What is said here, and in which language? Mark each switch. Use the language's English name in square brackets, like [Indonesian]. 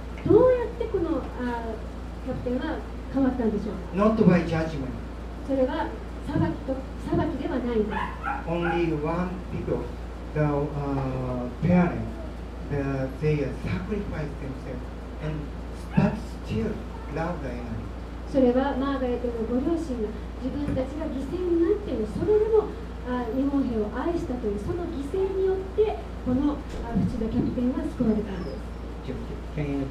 [Japanese] どうやってこのキャプテンは変わったんでしょう。 [English] Not by judgment. [Japanese] それは裁きではないんです。 [English] Only one people, the parents, the, they sacrifice themselves and but still love the enemy. [Japanese] それはマーガレットのご両親が自分たちが犠牲になってもそれでも日本兵を愛したというその犠牲によってこの淵田キャプテンは救われたんです。